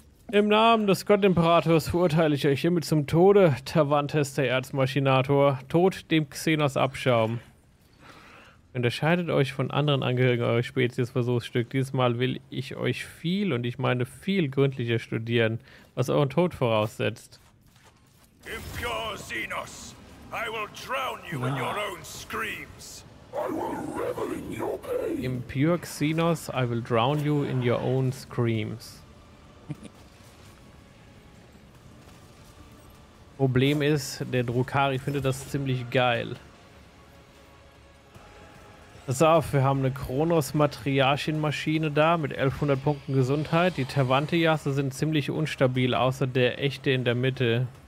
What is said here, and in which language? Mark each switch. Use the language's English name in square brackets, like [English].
[German] Im Namen des Gottimperators verurteile ich euch hiermit zum Tode, Tavantes der Erzmaschinator. Tod dem Xenos Abschaum. Unterscheidet euch von anderen Angehörigen eures Speziesversuchsstück. Dieses Mal will ich euch viel, und ich meine viel, gründlicher studieren, was euren Tod voraussetzt. [English] Impure Xenos, I will drown you in your own screams. I will revel in your pain. Impure Xenos, I will drown you in your own screams. [German] Problem ist, der Drukhari findet das ziemlich geil. Pass auf, wir haben eine Kronos-Matriarchin-Maschine da mit 1100 Punkten Gesundheit. Die Tervantiasse sind ziemlich unstabil, außer der echte in der Mitte.